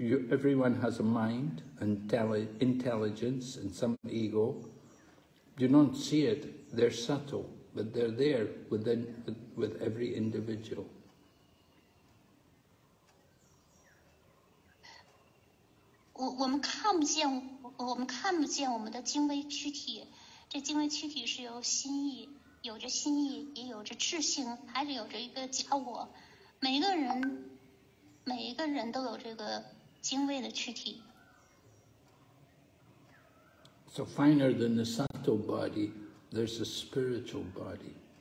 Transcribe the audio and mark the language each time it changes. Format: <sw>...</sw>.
<en>Everyone has a mind and intelligence and some ego. You don't see it, they're subtle, but they're there with every individual.</en> <zh>我们看不见我们的精微躯体，这精微躯体是由心意，有着心意，也有着智性，还是有着一个假我，每个人。</zh> <en>So finer than the subtle body, there's a spiritual body.</en>